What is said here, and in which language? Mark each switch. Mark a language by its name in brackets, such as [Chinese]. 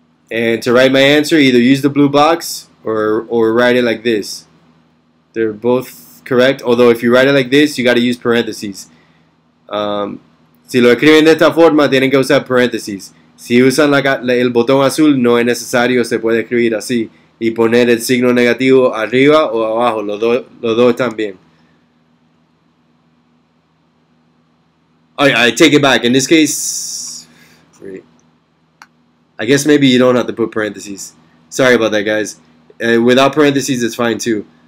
[English] And to write my answer, either use the blue box or write it like this. They're both correct. Although if you write it like this, you got to use parentheses. [Spanish] Si lo escriben de esta forma, tienen que usar parentheses. Si usan el botón azul, no es necesario. Se puede escribir así y poner el signo negativo arriba o abajo. Los dos están bien. [English] I take it back. In this case, great. I guess maybe you don't have to put parentheses. Sorry about that, guys. Without parentheses, it's fine too.